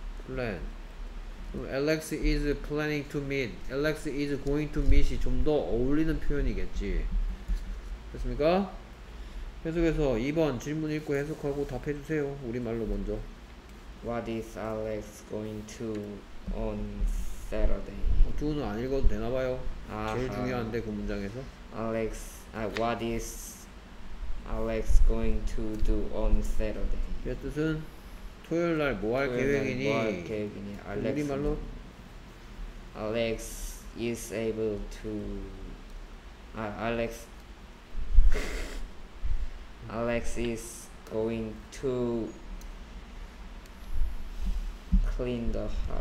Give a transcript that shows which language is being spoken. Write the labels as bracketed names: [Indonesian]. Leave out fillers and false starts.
[English] Plan. Alex is planning to meet, Alex is going to meet이 [Korean] 좀 더 어울리는 표현이겠지. 됐습니까? 계속해서 2번 질문 읽고 해석하고 답해주세요. 우리말로 먼저. [English] What is Alex going to on Saturday? [Korean] 두는 안 읽어도 되나봐요. 제일 중요한데 그 문장에서. [English] Alex, what is Alex going to do on Saturday? [Korean] 그 뜻은 토요일 날 뭐 할 계획이니? 우리말로. [English] Alex is able to. Alex. Alex is going to clean the house.